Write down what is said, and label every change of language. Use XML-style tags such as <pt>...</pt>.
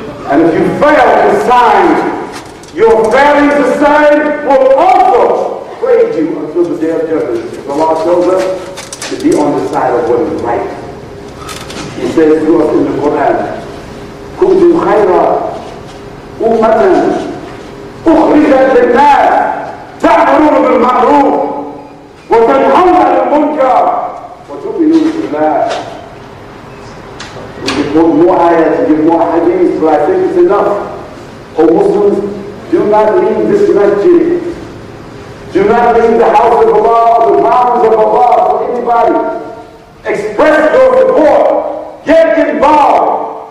<en>And if you fail to sign, your failure to sign will also plague you until the day of judgment. The law tells us to be on the side of what is right. He says to us in the Quran,</en> <ar>"Kuntu khayra." أمتاً أخرجت للناس تأمرون بالمعروف وتنهون عن المنكر وتؤمنون بالله.</ar> <en>We can quote more ayahs and give more hadiths, but I think it's enough. O Muslims, do not leave this masjid. Do not leave the house of Allah or the mountains of Allah for anybody. Express your support. Get involved.</en>